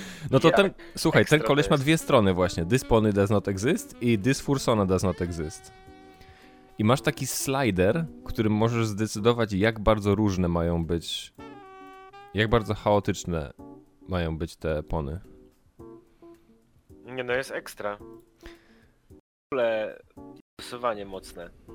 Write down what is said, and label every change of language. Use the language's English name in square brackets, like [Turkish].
[Polish] No to jak? Ten, słuchaj, ekstra ten koleś ma dwie strony właśnie. [English] This pony does not exist i this fursona does not exist. [Polish] I masz taki slider, którym możesz zdecydować, jak bardzo różne mają być, jak bardzo chaotyczne mają być te pony. Nie, no jest ekstra. W ogóle dopasowanie mocne.